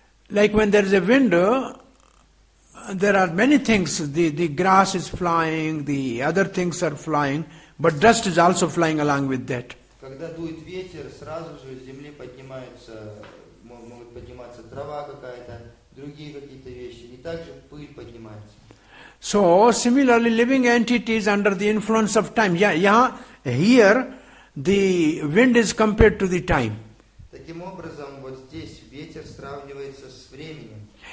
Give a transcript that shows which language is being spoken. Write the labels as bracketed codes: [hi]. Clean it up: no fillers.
[en] Like when there is a window, there are many things. The grass is flying, the other things are flying, but dust is also flying along with that. [ru] Когда дует ветер, сразу же с земли поднимаются, могут подниматься трава какая-то, другие какие-то вещи, и также пыль поднимается. [en] So similarly, living entities under the influence of time. Yeah, here. The wind is compared to the time. [ru] Таким образом, вот здесь ветер сравнивается с временем.